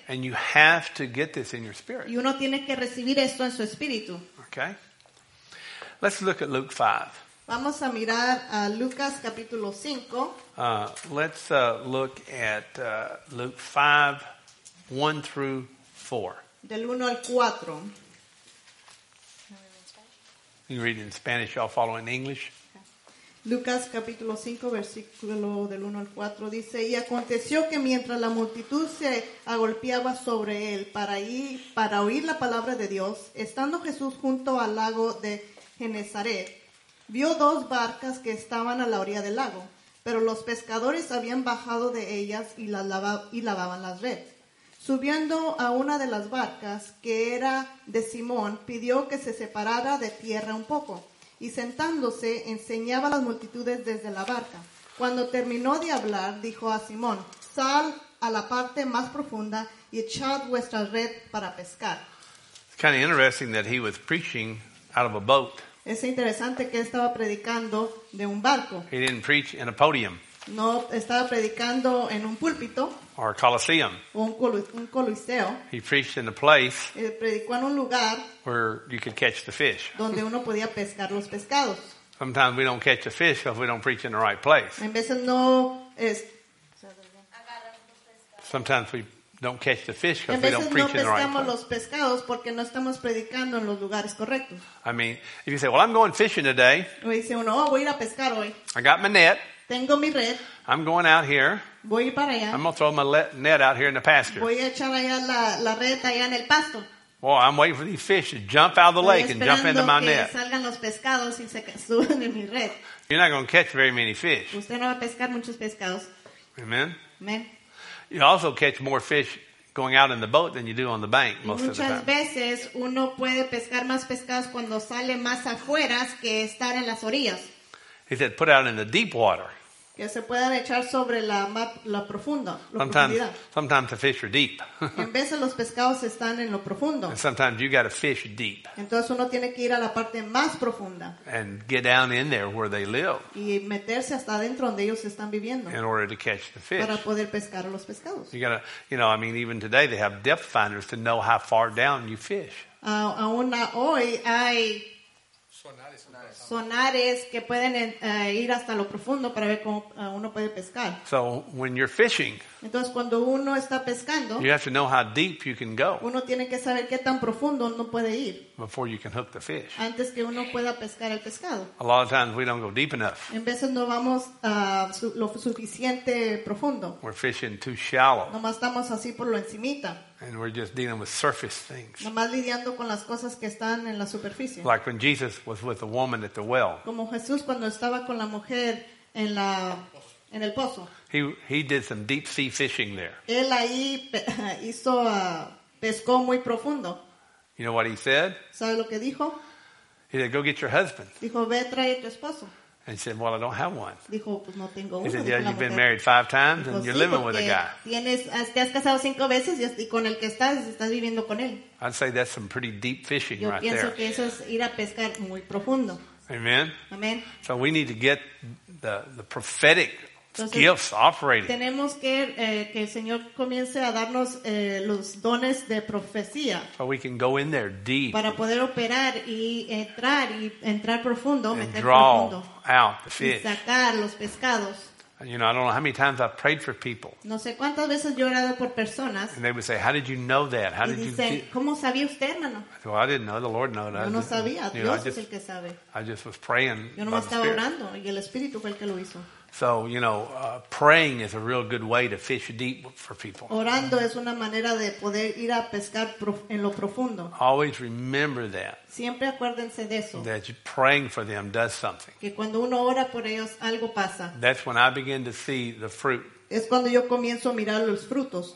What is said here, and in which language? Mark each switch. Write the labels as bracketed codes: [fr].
[en] And you have to get this in your spirit. [es] Y uno tiene que recibir esto en su espíritu. [en] Okay. Let's look at Luke 5. [es] Vamos a mirar a Lucas capítulo 5. [en] Let's look at Luke 5, 1 through 4. [es] Del 1 al 4. [en] You read in Spanish, y'all follow in English. [es] Lucas capítulo 5, versículo del 1 al 4 dice: Y aconteció que mientras la multitud se agolpeaba sobre él para oír la palabra de Dios, estando Jesús junto al lago de Genezaret, vio dos barcas que estaban a la orilla del lago, pero los pescadores habían bajado de ellas y lavaban las redes. Subiendo a una de las barcas, que era de Simón, pidió que se separara de tierra un poco. Y sentándose, enseñaba a las multitudes desde la barca. Cuando terminó de hablar, dijo a Simón, sal a la parte más profunda y echad vuestra red para pescar. [en] It's kind of interesting that he was preaching out of a boat. [es] Es interesante que estaba predicando de un barco. [en] He didn't preach in a podium. [es] No estaba predicando en un púlpito. [en] Or a coliseum. [es] Un coliseo. [en] He preached in a place. [es] Él predicó en un lugar. [en] Where you could catch the fish. [es] Donde uno podía pescar los pescados. [en] Sometimes we don't catch a fish if we don't preach in the right place. [es] En veces no es. [en] Sometimes we don't catch the fish because we don't preach [es] no [en] in the right place. [es] En veces no pescamos los pescados porque no estamos predicando en los lugares correctos. [en] I mean, if you say, "Well, I'm going fishing today." [es] Me dice uno, "Oh, voy a ir a pescar hoy." [en] I got my net. [es] Tengo mi red. [en] I'm going out here. [es] Voy para allá. [en] I'm going to throw my net out here in the pasture. [es] Voy a echar allá la red allá en el pasto. [en] Well, I'm waiting for these fish to jump out of the lake and jump into my net. [es] Salgan los pescados y se suban en mi red. [en] You're not going to catch very many fish. [es] Usted no va a pescar muchos pescados. Amen. Amen. [en] You also catch more fish going out in the boat than you do on the bank most [es] muchas [en] of the time. [es] Muchas veces uno puede pescar más pescados cuando sale más afuera que estar en las orillas. [en] He said, put out in the deep water. [es] Que se puedan echar sobre la la profunda, la [en] sometimes, [es] profundidad. [en] Sometimes the fish are deep. [es] En vez de los pescados están en lo profundo. [en] And sometimes you got to fish deep. [es] Entonces uno tiene que ir a la parte más profunda. [en] And get down in there where they live. [es] Y meterse hasta adentro donde ellos están viviendo. [en] In order to catch the fish. [es] Para poder pescar los pescados. [en] You gotta, you know, I mean, even today they have depth finders to know how far down you fish. [es] Aún hoy hay sonares que pueden ir hasta lo profundo para ver cómo uno puede pescar. [en] So when you're fishing, [es] entonces cuando uno está pescando, [en] you have to know how deep you can go. [es] Uno tiene que saber qué tan profundo uno puede ir. [en] Before you can hook the fish. [es] Antes que uno pueda pescar el pescado. [en] A lot of times we don't go deep enough. [es] En veces no vamos lo suficiente profundo. [en] We're fishing too shallow. [es] Nomás estamos así por lo encimita. [en] And we're just dealing with surface things. [es] Nomás lidiando con las cosas que están en la superficie. [en] Like when Jesus was with the woman at the well. [es] Como Jesús cuando estaba con la mujer en la en el pozo. [en] He did some deep sea fishing there. [es] Él ahí hizo pescó muy profundo. [en] You know what he said? [es] ¿Sabe lo que dijo? [en] He said, "Go get your husband." [es] Dijo, "Ve trae tu esposo." [en] And he said, "Well, I don't have one." [es] Dijo, "Pues no tengo uno." [en] He said, "Yeah, [es] dijo [en] you've been married five times, and [es] dijo, [en] you're [es] sí, [en] living with a guy." [es] Tienes, te has casado cinco veces y con el que estás viviendo con él. [en] I'd say that's some pretty deep fishing [es] yo [en] right there. [es] Yo pienso que eso es ir a pescar muy profundo. Amen. Amen. [en] So we need to get the prophetic. [es] Entonces, [en] gifts operating. [es] Tenemos que el Señor comience a darnos los dones de profecía. [en] So we can go in there deep. [es] Para poder operar y entrar profundo, [en] and [es] meter [en] draw [es] profundo. [en] Out the fish. [es] Y sacar los pescados. [en] And, you know, I don't know how many times I've prayed for people. [es] No sé cuántas veces yo he orado por personas. [en] And they would say, "How did you know that? How did you?" [es] Y dicen, ¿cómo sabía usted, hermano? [en] I said, well, I didn't know. The Lord knows. [es] Yo no sabía. Dios [en] you know, [es] es el que sabe. [en] I just was praying. [es] Yo no estaba orando y el Espíritu fue el que lo hizo. [en] So, you know, praying is a real good way to fish deep for people. [es] Orando es una manera de poder ir a pescar en lo profundo. [en] Always remember that. [es] Siempre acuérdense de eso. [en] That praying for them does something. [es] Que cuando uno ora por ellos, algo pasa. [en] That's when I begin to see the fruit. [es] Es cuando yo comienzo a mirar los frutos.